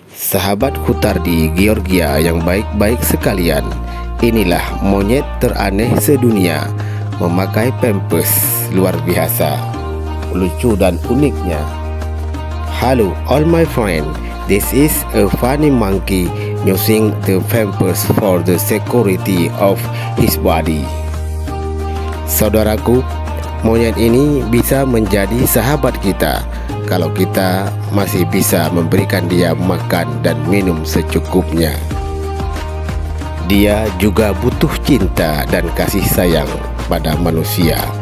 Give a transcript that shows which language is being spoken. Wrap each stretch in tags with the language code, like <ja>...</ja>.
<id>sahabat Kutar di Georgia yang baik-baik sekalian. Inilah monyet teraneh sedunia, memakai pempes luar biasa, lucu dan uniknya.</id> <en>Hello all my friend, this is a funny monkey using the pempes for the security of his body.</en> <id>Saudaraku, monyet ini bisa menjadi sahabat kita kalau kita masih bisa memberikan dia makan dan minum secukupnya. Dia juga butuh cinta dan kasih sayang pada manusia.</id>